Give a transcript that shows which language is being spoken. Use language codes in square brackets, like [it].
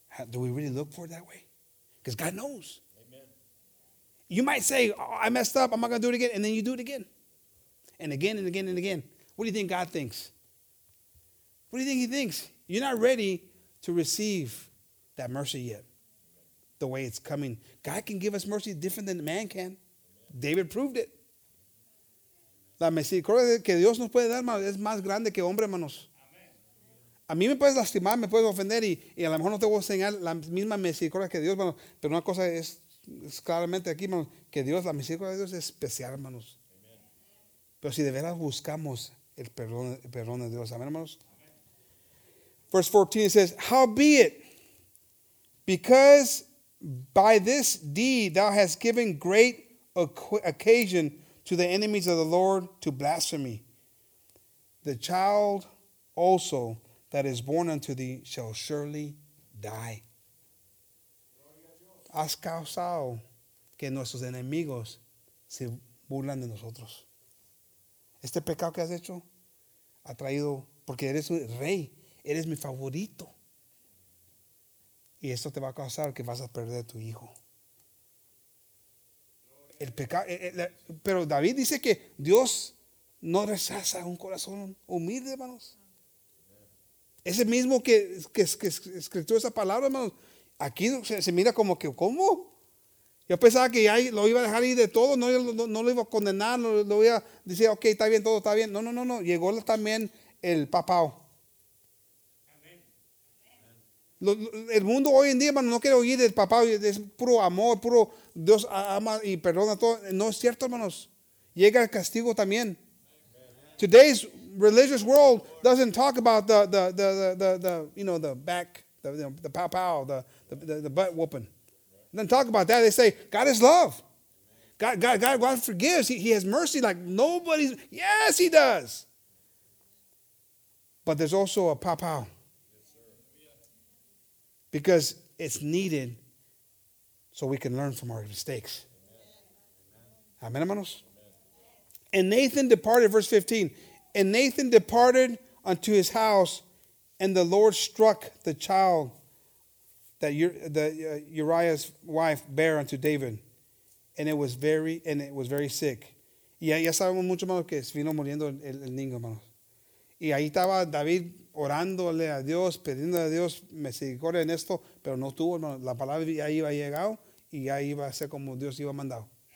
[en] Do we really look for it that way? Because God knows. Amen. You might say, oh, I messed up. I'm not going to do it again. And then you do it again. And again and again and again. What do you think God thinks? What do you think he thinks? You're not ready to receive that mercy yet. The way it's coming. God can give us mercy different than man can. Amen. David proved it. [es] La misericordia que Dios nos puede dar es más grande que hombre, hermanos. A mí me puedes lastimar, me puedes ofender y a lo mejor no te voy a enseñar la misma misericordia que Dios, hermanos. Pero una cosa es claramente aquí, hermanos, que Dios, la misericordia de Dios es especial, hermanos. Amen. Pero si de veras buscamos el perdón de Dios, amén, hermanos. Amen. [en] Verse 14 says, howbeit, because by this deed thou hast given great occasion to the enemies of the Lord to blaspheme, the child also that is born unto thee shall surely die. [es] Has causado que nuestros enemigos se burlan de nosotros. Este pecado que has hecho ha traído, porque eres un rey, eres mi favorito. Y esto te va a causar que vas a perder a tu hijo. El pecado, pero David dice que Dios no rechaza un corazón humilde, hermanos. Ese mismo que escribió esa palabra, hermanos, aquí se mira como que, ¿cómo? Yo pensaba que ya lo iba a dejar ir de todo, no lo iba a condenar, lo iba a decir, ok, está bien, todo está bien. No, llegó también el papao. El mundo hoy en día, hermano, no quiere oír del papao, es puro amor, puro Dios ama y perdona todo. No es cierto, hermanos, llega el castigo también. [en] Today's religious world doesn't talk about the butt whooping. It doesn't talk about that. They say God is love. God forgives. He has mercy like nobody's. Yes, he does. But there's also a pow pow. Because it's needed so we can learn from our mistakes. Amen, hermanos. And Nathan departed, verse 15. And Nathan departed unto his house, and the Lord struck the child that Uriah's wife bare unto David, and it was very sick. Y ya sabemos mucho, hermano, que se vino muriendo el niño, hermano. Y ahí estaba David orándole a Dios, pidiendo a Dios misericordia en esto, pero no tuvo, hermano. La palabra ya iba llegado y ya iba a ser como Dios iba mandado.